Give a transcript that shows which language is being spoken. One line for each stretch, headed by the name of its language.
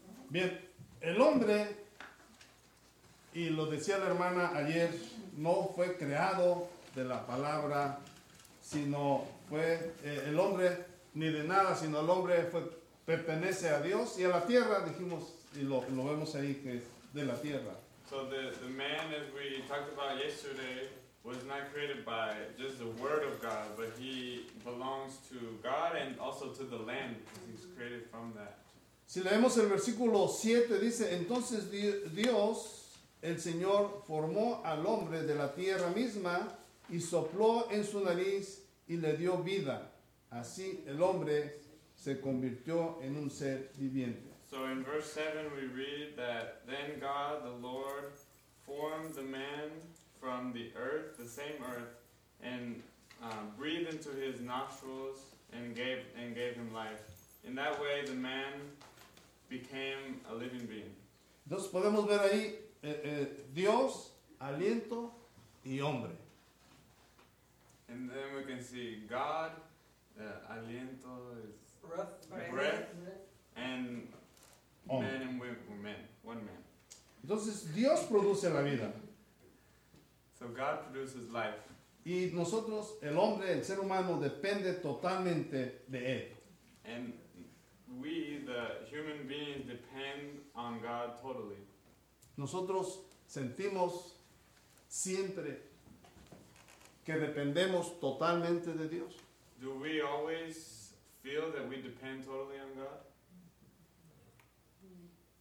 Spanish: Bien, el hombre, y lo decía la hermana ayer, no fue creado de la palabra, sino fue el hombre, ni de nada, sino el hombre fue, pertenece a Dios y a la tierra, dijimos, y lo vemos ahí, que es de la tierra.
English: So the man, as we talked about yesterday, was not created by just the word of God, but he belongs to God and also to the land, because he's created from that.
Spanish: Si leemos el versículo 7, dice, entonces Dios, el Señor, formó al hombre de la tierra misma y sopló en su nariz y le dio vida. Así el hombre se convirtió en un ser viviente.
English: So in verse 7 we read that then God, the Lord, formed the man from the earth, the same earth, and breathed into his nostrils and gave him life. In that way the man became a living being.
Spanish: Entonces podemos ver ahí Dios, aliento y hombre.
English: And then we can see God, aliento, breath, and hombre. Man and women, one man.
Spanish: Entonces Dios produce la vida.
English: So God produces life.
Spanish: Y nosotros, el hombre, el ser humano, depende totalmente de él.
English: And we, the human beings, depend on God totally.
Spanish: Nosotros sentimos siempre que dependemos totalmente de Dios.
English: Do we always feel that we depend totally on God?